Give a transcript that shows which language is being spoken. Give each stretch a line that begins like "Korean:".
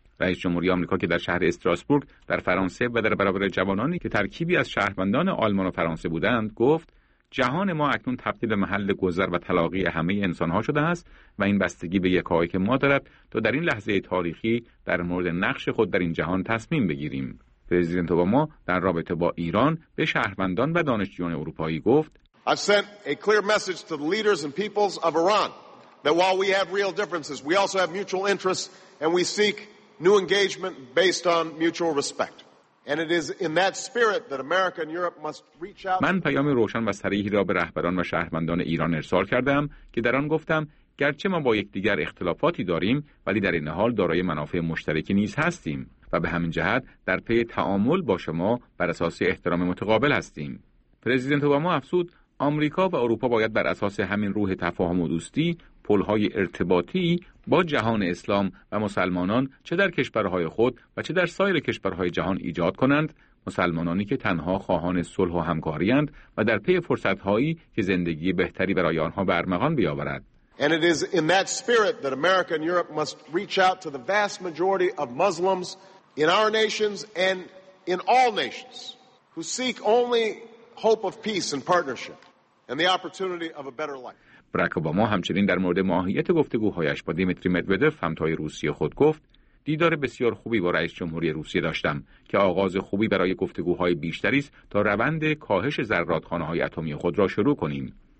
Persian: رئیس جمهوری آمریکا که در شهر استراسبورگ در فرانسه و در برابر جوانانی که ترکیبی از شهروندان آلمان و فرانسه بودند گفت جهان ما اکنون تبدیل به محل گذر و تلاقی همه انسان‌ها شده است و این بستگی به یکایک که ما دارد تا در این لحظه تاریخی در مورد نقش خود در این جهان تصمیم بگیریم. پرزیدنت اوباما در رابطه با ایران به شهروندان و دانشجویان اروپایی گفت
English: I've sent a clear message to the leaders and peoples of Iran that while we have real differences we also have mutual interests and we seek new engagement based on mutual respect and it is in that spirit that America and Europe must reach out.
Persian: من پیام روشن و صریحی را به رهبران و شهروندان ایران ارسال کردم که در آن گفتم گرچه ما با یکدیگر اختلافاتی داریم ولی در این حال دارای منافع مشترکی نیز هستیم و به همین جهت در پی تعامل با شما بر اساس احترام متقابل هستیم. پرزیدنت اوباما افزود آمریکا و اروپا باید بر اساس همین روح تفاهم و دوستی پل‌های ارتباطی با جهان اسلام و مسلمانان چه در کشورهای خود و چه در سایر کشورهای جهان ایجاد کنند، مسلمانانی که تنها خواهان صلح و همکاری‌اند و در پی فرصت‌هایی که زندگی بهتری برای آنها برمغان بیاورد.
English: And it is in that spirit that America and Europe must reach out to the vast majority of Muslims in our nations and in all nations who seek only hope of peace and partnership and the opportunity of a better life.
Persian: براک اوباما همچنین در مورد ماهیت گفتگوهایش با دیمیتری مدودف همتای روسیه خود گفت دیدار بسیار خوبی با رئیس جمهوری روسیه داشتم که آغاز خوبی برای گفتگوهای بیشتری است تا روند کاهش ذرات‌خانه‌های اتمی خود را شروع کنیم.